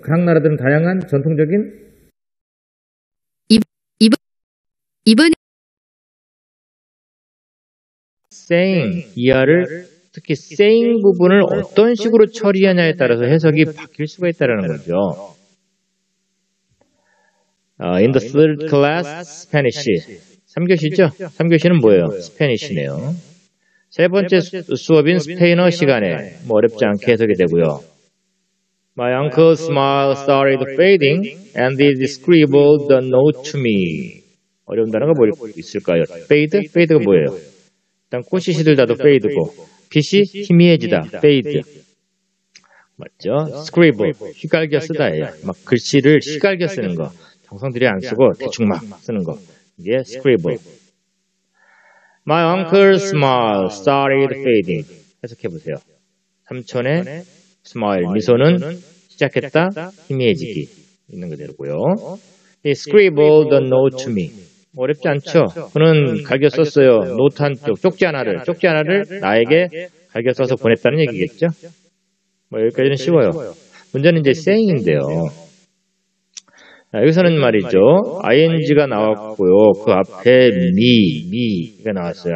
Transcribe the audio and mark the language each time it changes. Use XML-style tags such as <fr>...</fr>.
<ko>각 나라들은 다양한 전통적인 saying 이하를 특히 saying 부분을 어떤 식으로 처리하냐에 따라서 해석이 바뀔 수가 있다는 거죠.</ko> <en>In the third class, Spanish.</en> <ko>3교시죠? 3교시는 뭐예요? Spanish네요. 세 번째 수업인 스페인어 시간에 뭐 어렵지 않게 해석이 되고요.</ko> <en>My uncle's smile started fading and he scribbled the note to me.</en> <ko>어려운 단어가 뭐 있을까요? Fade? Fade가 뭐예요? 일단 꽃이 시들다도 fade고 빛이 희미해지다. fade. 맞죠? scribble. 휘갈겨 쓰다예요. 막 글씨를 휘갈겨 쓰는 거. 정성들이 안 쓰고 대충 막 쓰는 거. 이게 scribble.</ko> <en>My uncle's smile started fading.</en> <ko>해석해보세요. 삼촌의 smile. 미소는 시작했다. 희미해지기. 있는 그대로고요.</ko> <en>He scribbled the note to me.</en> <ko>어렵지 않죠? 그는 갈겨 썼어요. 노트 한쪽, 쪽지 하나를. 쪽지 하나를 나에게 갈겨 써서 보냈다는 얘기겠죠? 뭐 여기까지는 쉬워요. 문제는 이제 saying인데요. 여기서는 말이죠. ing가 나왔고요. 그 앞에 me가 나왔어요.</ko>